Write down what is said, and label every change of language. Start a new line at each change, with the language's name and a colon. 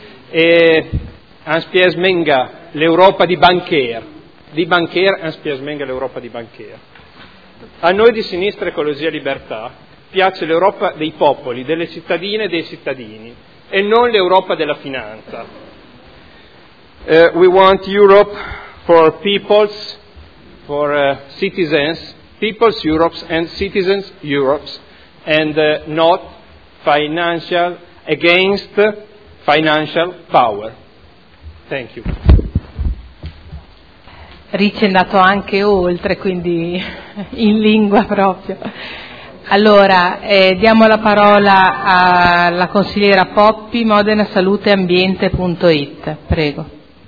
Emilian: E anspiesmenga l'Europa di banchier, anspiesmenga l'Europa di banchier.
Italian: A noi di Sinistra Ecologia e Libertà piace l'Europa dei popoli, delle cittadine e dei cittadini, e non l'Europa della finanza.
English: We want Europe for peoples, for citizens, peoples' Europes and citizens' Europes, and not financial against financial power. Thank you.
Italian: Ricci è andato anche oltre, quindi in lingua proprio. Allora, diamo la parola alla consigliera Poppi, Modena Salute Ambiente.it. Prego.